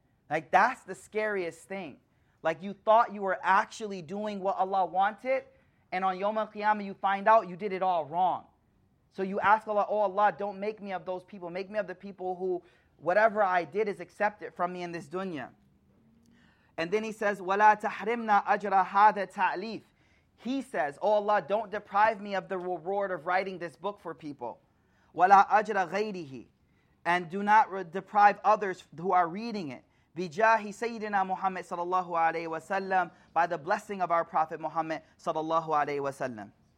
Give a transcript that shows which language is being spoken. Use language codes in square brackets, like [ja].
[en] Like, that's the scariest thing. Like, you thought you were actually doing what Allah wanted, and on Yawm al-Qiyamah you find out you did it all wrong. So you ask Allah, oh Allah, don't make me of those people. Make me of the people who whatever I did is accepted from me in this dunya. And then he says, [ar] وَلَا تَحْرِمْنَا أَجْرَ هَذَا تَعْلِيف. [en] He says, oh Allah, don't deprive me of the reward of writing this book for people. [ar] وَلَا أَجْرَ غَيْرِهِ. [en] And do not deprive others who are reading it. [ar] Bijahi Sayyidina [en] Muhammad sallallahu alayhi wa sallam, by the blessing of our Prophet Muhammad sallallahu alayhi wa sallam.